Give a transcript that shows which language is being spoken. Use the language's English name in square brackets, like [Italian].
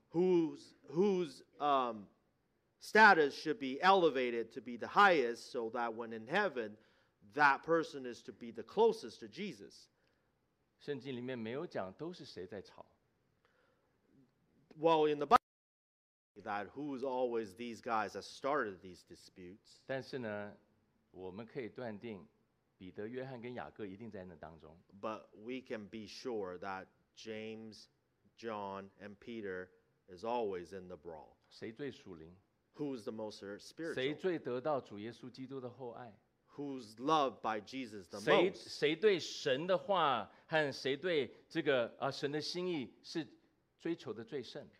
[English] Whose status should be elevated to be the highest so that when in heaven, that person is to be the closest to Jesus. [Chinese] 圣经里面没有讲都是谁在吵。 [English] Well, in the Bible, that who's always these guys that started these disputes. [Chinese] 但是呢，我们可以断定，彼得、约翰跟雅各一定在那当中。 [English] But we can be sure that James, John, and Peter is always in the brawl. [Chinese] 谁最属灵？ [English] Who's the most spiritual? [Chinese] 谁最得到主耶稣基督的厚爱？ [English] Who's loved by Jesus the most? [Chinese] 谁对神的话和谁对这个神的心意是追求的最甚？